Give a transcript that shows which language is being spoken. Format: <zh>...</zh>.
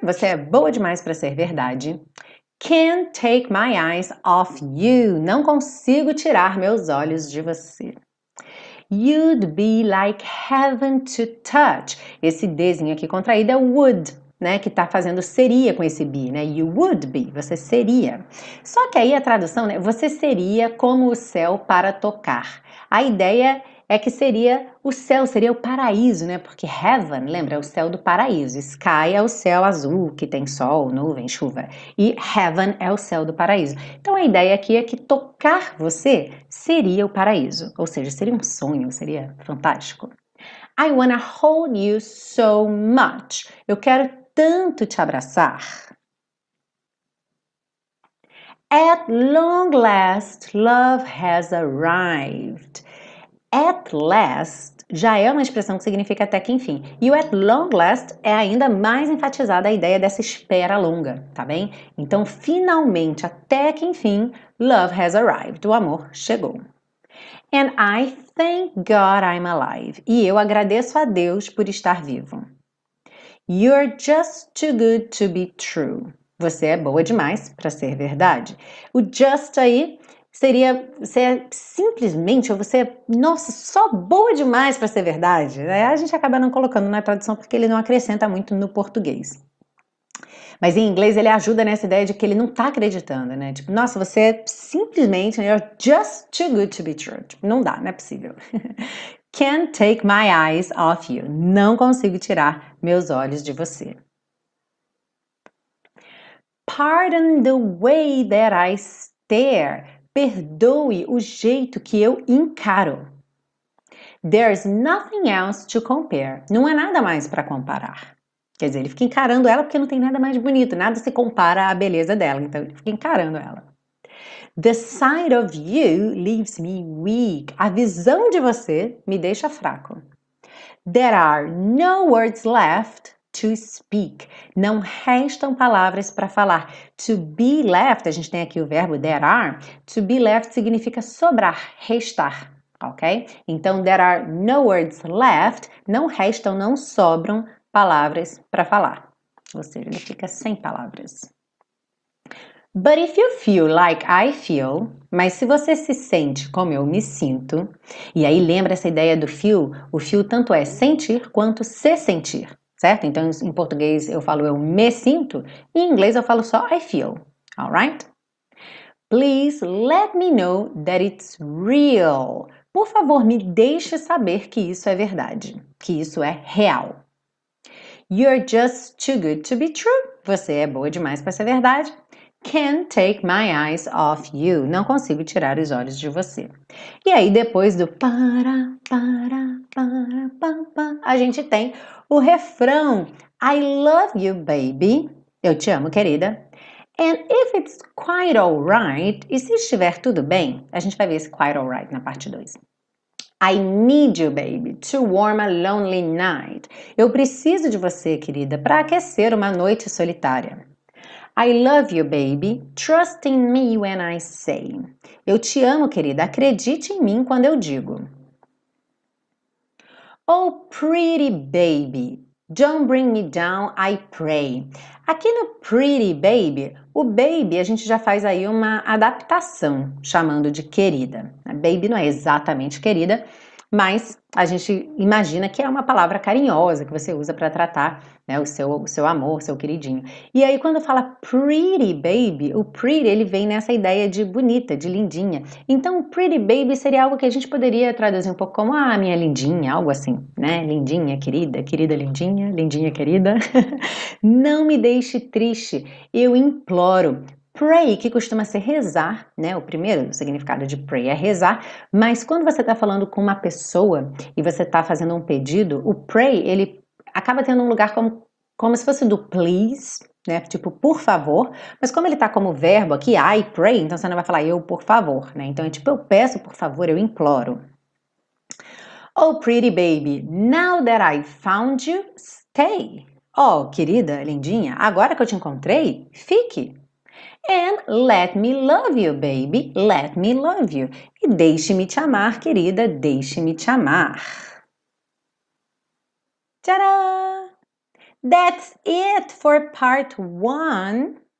<pt>Você é boa demais para ser verdade.</pt> <en>Can't take my eyes off you.</en> <pt>Não consigo tirar meus olhos de você.</pt> <en>You'd be like heaven to touch.</en> <pt>Esse Dzinho aqui contraído é would, né? Que tá fazendo seria com esse be, né?</pt> <en>You would be,</en> <pt>você seria. Só que aí a tradução, né? Você seria como o céu para tocar. A ideia é que seria o céu, seria o paraíso, né? Porque heaven, lembra? É o céu do paraíso. Sky é o céu azul, que tem sol, nuvem, chuva. E heaven é o céu do paraíso. Então, a ideia aqui é que tocar você seria o paraíso. Ou seja, seria um sonho, seria fantástico.</pt> <en>I wanna hold you so much.</en> <pt>Eu quero tanto te abraçar.</pt> <en>At long last, love has arrived.</en> <pt>At last já é uma expressão que significa até que enfim. E o at long last é ainda mais enfatizada a ideia dessa espera longa, tá bem? Então, finalmente, até que enfim,</pt> <en>love has arrived,</en> <pt>o amor chegou.</pt> <en>And I thank God I'm alive.</en> <pt>E eu agradeço a Deus por estar vivo.</pt> <en>You're just too good to be true.</en> <pt>Você é boa demais para ser verdade. O just aí seria, você é simplesmente, ou você é, nossa, só boa demais para ser verdade. A gente acaba não colocando na tradução porque ele não acrescenta muito no português. Mas em inglês ele ajuda nessa ideia de que ele não tá acreditando, né? Tipo, nossa, você é simplesmente,</pt> <en>you're just too good to be true.</en> <pt>Tipo, não dá, não é possível.</pt> <en>Can't take my eyes off you.</en> <pt>Não consigo tirar meus olhos de você.</pt> <en>Pardon the way that I stare.</en> <pt>Perdoe o jeito que eu encaro.</pt> <en>There's nothing else to compare.</en> <pt>Não há nada mais para comparar. Quer dizer, ele fica encarando ela porque não tem nada mais bonito. Nada se compara à beleza dela. Então, ele fica encarando ela.</pt> <en>The sight of you leaves me weak.</en> <pt>A visão de você me deixa fraco.</pt> <en>There are no words left to speak.</en> <pt>Não restam palavras para falar. To be left, a gente tem aqui o verbo there are. To be left significa sobrar, restar, ok?</pt> <en>Então, there are no words left.</en> <pt>Não restam, não sobram palavras para falar. Ou seja, ele fica sem palavras.</pt> <en>But if you feel like I feel,</en> <pt>mas se você se sente como eu me sinto, e aí lembra essa ideia do feel, o feel tanto é sentir quanto se sentir. Certo? Então, em português eu falo eu me sinto, e em inglês eu falo só</pt> <en>I feel,</en> <pt>alright?</pt> <en>Please let me know that it's real.</en> <pt>Por favor, me deixe saber que isso é verdade, que isso é real.</pt> <en>You're just too good to be true.</en> <pt>Você é boa demais para ser verdade.</pt> <en>Can't take my eyes off you.</en> <pt>Não consigo tirar os olhos de você. E aí, depois do para, para, para, pam, pam, a gente tem o refrão.</pt> <en>I love you, baby.</en> <pt>Eu te amo, querida.</pt> <en>And if it's quite alright,</en> <pt>e se estiver tudo bem, a gente vai ver esse quite alright na parte 2.</pt> <en>I need you, baby, to warm a lonely night.</en> <pt>Eu preciso de você, querida, para aquecer uma noite solitária.</pt> <en>I love you, baby. Trust in me when I say.</en> <pt>Eu te amo, querida. Acredite em mim quando eu digo.</pt> <en>Oh, pretty baby, don't bring me down, I pray.</en> <pt>Aqui no pretty baby, o baby a gente já faz aí uma adaptação, chamando de querida. A baby não é exatamente querida, mas a gente imagina que é uma palavra carinhosa que você usa para tratar, né, o seu amor, seu queridinho. E aí quando fala pretty baby, o pretty ele vem nessa ideia de bonita, de lindinha. Então, pretty baby seria algo que a gente poderia traduzir um pouco como ah, minha lindinha, algo assim, né? Lindinha, querida, querida lindinha, lindinha querida. Não me deixe triste, eu imploro. Pray, que costuma ser rezar, né? O primeiro significado de pray é rezar, mas quando você está falando com uma pessoa e você está fazendo um pedido, o pray, ele acaba tendo um lugar como se fosse do please, né? Tipo, por favor, mas como ele está como verbo aqui,</pt> <en>I pray,</en> <pt>então você não vai falar eu por favor, né? Então é tipo, eu peço por favor, eu imploro.</pt> <en>Oh, pretty baby, now that I found you, stay.</en> <pt>Oh, querida, lindinha, agora que eu te encontrei, fique.</pt> <en>And let me love you, baby. Let me love you.</en> <pt>E deixe-me te amar, querida. Deixe-me te amar.</pt> <en>Tcharam! That's it for part one.</en>